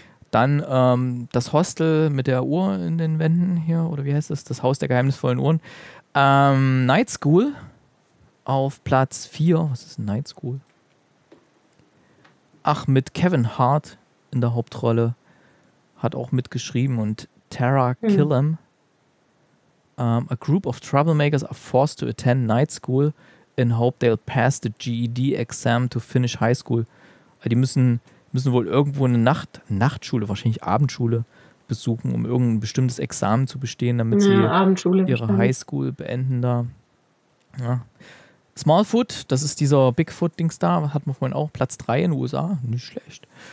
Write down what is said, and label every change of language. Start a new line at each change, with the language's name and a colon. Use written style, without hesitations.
German: Dann das Hostel mit der Uhr in den Wänden hier, oder wie heißt das? Das Haus der geheimnisvollen Uhren. Night School auf Platz 4. Was ist Night School? Ach, mit Kevin Hart in der Hauptrolle. Hat auch mitgeschrieben. Und Tara Killam. Mhm.
English: A group of troublemakers are forced to attend night school in hope they'll pass the GED exam to finish high school.
German: Die müssen wohl irgendwo eine Nachtschule, wahrscheinlich Abendschule, besuchen, um irgendein bestimmtes Examen zu bestehen, damit sie ihre Highschool beenden da. Ja. Smallfoot, das ist dieser Bigfoot-Dings da, hatten wir vorhin auch, Platz 3 in den USA, nicht schlecht.